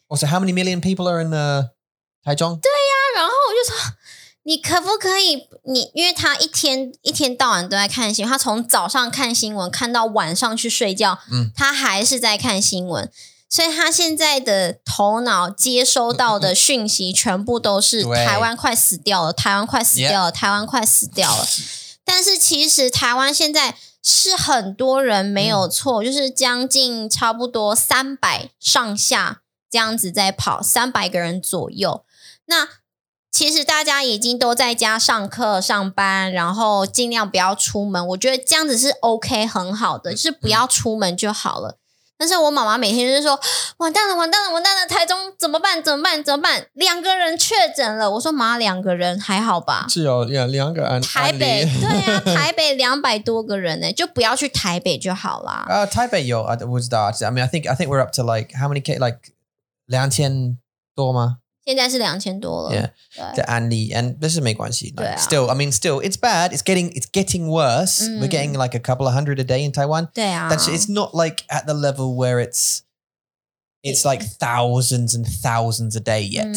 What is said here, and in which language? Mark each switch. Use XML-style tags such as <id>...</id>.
<en>Oh, so how many million people are in the 台中？</en> <zh>对呀，然后我就说，你可不可以？你因为他一天到晚都在看新闻，他从早上看新闻看到晚上去睡觉，他还是在看新闻，所以他现在的头脑接收到的讯息全部都是台湾快死掉了，台湾快死掉了，台湾快死掉了。但是其实台湾现在。是很多人没有错，就是将近差不多300上下这样子在跑，300个人左右。那其实大家已经都在家上课上班，然后尽量不要出门，我觉得这样子是 OK 很好的，就是不要出门就好了。但是我妈妈每天就说完蛋了完蛋了完蛋了，台中怎么办怎么办怎么办，两个人确诊了。我说妈，两个人还好吧，是哦，两个案例，台北对啊，台北200多个人呢，就不要去台北就好啦。台北有</zh> <en>I was that, I mean I think we're up to like how many cases, like</en> <zh>2000多吗，现在是2000多了</zh> <en>yeah,</en> <zh>对的案例</zh> <en>and</en> <zh>但是没关系、</zh> <en>like,</en> <zh>对啊</zh> <en>still I mean still it's bad, it's getting worse、嗯、we're getting like a couple of hundred a day in Taiwan,</en> <zh>对啊，但是</zh> <en>it's not like at the level where it's like thousands and thousands a day yet、</en>